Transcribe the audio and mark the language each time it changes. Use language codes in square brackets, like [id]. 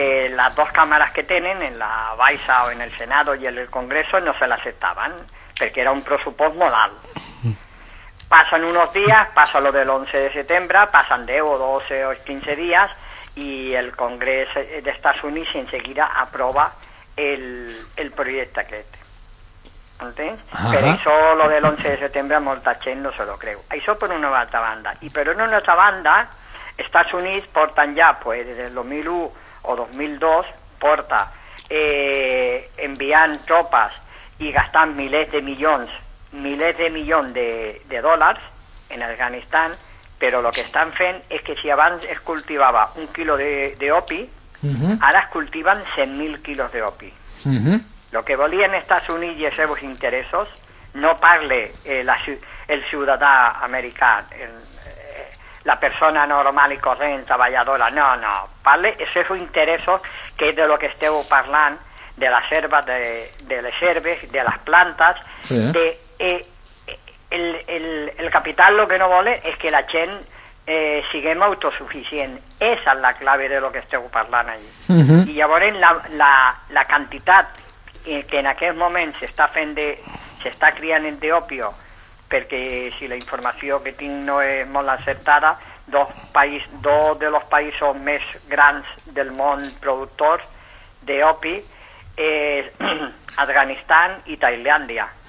[es] Las dos cámaras que tienen, en la Baixa o en el Senado y en el Congreso, no se la aceptaban, porque era un presupuesto modal. Pasan unos días, pasa lo del 11 de septiembre, pasan 10 o 12 o 15 días, y el Congreso de Estados Unidos enseguida aprueba el proyecto que este. [ca] entens? Per això lo de l'11 de setembre molta gent no se lo creu. Això per una altra banda. I per una altra banda, Estats Units porten ja, pues, des del 2001 o 2002, porta enviant tropes i gastant milers de milions de dòlars en Afganistan, però el que estan fent és que si abans es cultivava un quilo de opi, ara es cultiven 100.000 quilos de opi. Lo que volien Estats Units i els seus interessos, no parle el ciutadà americà, la persona normal i corrent, treballadora, no, parle els seus interessos, que és de lo que esteu parlant, de les herbes, de les herbes, de les plantes, sí. De... El capital lo que no vole es que la gent siguem autosuficient. [es] Esa es la clave de lo que [ca] esteu parlant allí. I llavors la quantitat que en aquest moment se està criant el d'opio, perquè si la informació que tinc no és molt acertada, dos de los països més grans del món productors d'opi és Afganistan i Tailàndia.